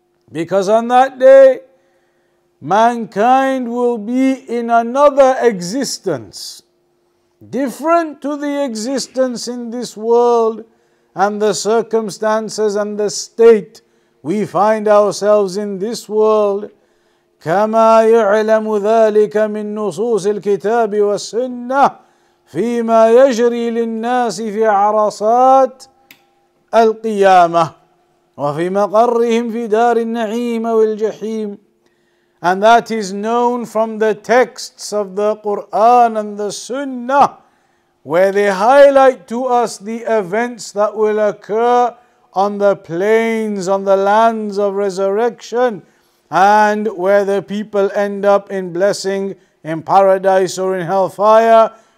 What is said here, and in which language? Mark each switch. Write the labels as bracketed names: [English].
[English] Because on that day, mankind will be in another existence, different to the existence in this world and the circumstances and the state we find ourselves in this world. [Arabic] كما يعلم ذلك من نصوص الكتاب والسنة فيما يجري للناس في عرصات القيامة وفي مقرهم في دار النعيم والجحيم. [English] And that is known from the texts of the Quran and the Sunnah, where they highlight to us the events that will occur on the plains, on the lands of resurrection, and where the people end up in blessing, in paradise or in hellfire.